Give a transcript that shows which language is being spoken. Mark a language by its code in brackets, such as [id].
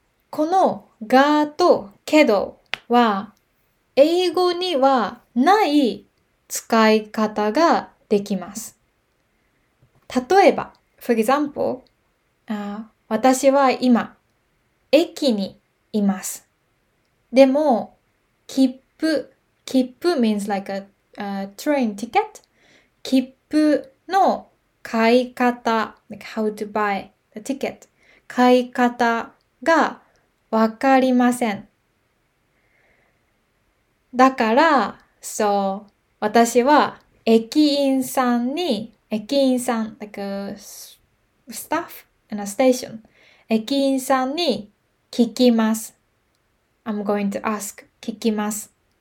[ja] このがとけどは、英語にはない使い方ができます。例えば、 [en] for example, [ja] 私は今、駅にいます。 [en] でも、切符 means like a train ticket. [ja] 切符の買い方、 [en] like how to buy the ticket. [ja] 買い方がわかりません。だから、私は駅員さんに、駅員さん、 [en] like a staff in a station、 [ja] 駅員さんに聞きます。 [en] I'm going to ask、 [ja] 聞きます。